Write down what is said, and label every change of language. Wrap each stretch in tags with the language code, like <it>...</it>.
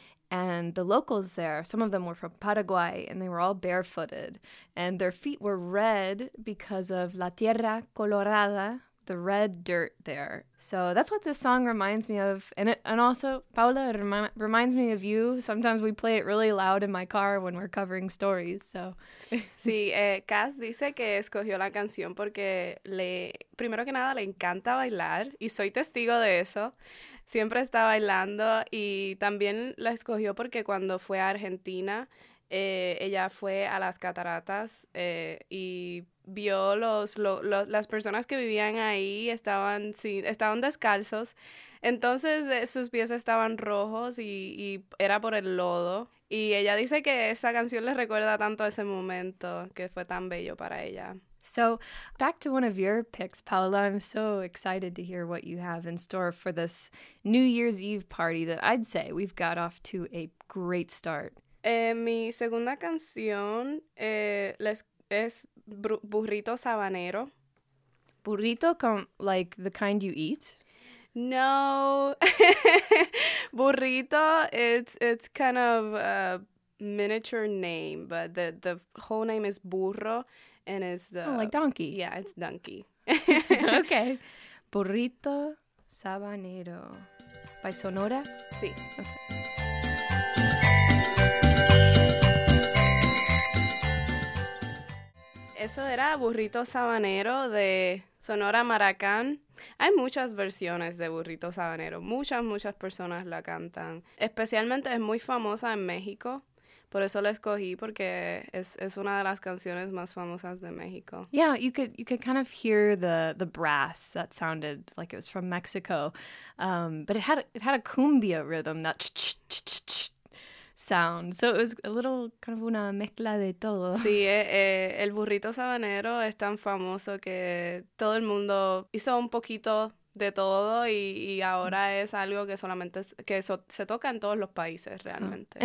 <en>And the locals there, some of them were from Paraguay, and they were all barefooted. And their feet were red because of La Tierra Colorada, the red dirt there. So that's what this song reminds me of. And also, Paula, it reminds me of you. Sometimes we play it really loud in my car when we're covering stories. So,</en> <es>sí, Cass dice que escogió la canción porque le, primero que nada, le encanta bailar, y soy testigo de eso. Siempre está bailando, y también la escogió porque cuando fue a Argentina, ella fue a las cataratas y vio las personas que vivían ahí, estaban descalzos, entonces sus pies estaban rojos y era por el lodo, y ella dice que esa canción le recuerda tanto a ese momento, que fue tan bello para ella.</es> <en>So, back to one of your picks, Paula. I'm so excited to hear what you have in store for this New Year's Eve party that I'd say we've got off to a great start.</en> <es>Mi segunda canción es Burrito Sabanero.</es> <en>Burrito, like the kind you eat? No. Burrito, it's kind of a miniature name, but the whole name is Burro. And it's the... Oh, like donkey. Yeah, it's donkey. Okay. Burrito Sabanero. By Sonora?</en> <es>Sí. Eso era Burrito Sabanero de Sonora Maracán. Hay muchas versiones de Burrito Sabanero. Muchas, muchas personas la cantan. Especialmente es muy famosa en México. Por eso la escogí, porque es una de las canciones más famosas de México.</es> <en>Yeah, you could kind of hear the brass that sounded like it was from Mexico. But it had a cumbia rhythm, that ch-ch-ch-ch-ch sound. So it was a little kind of</en> <es>una mezcla de todo. Sí, el burrito sabanero es tan famoso que todo el mundo hizo un poquito de todo, y ahora es algo que solamente se toca en todos los países realmente.</es>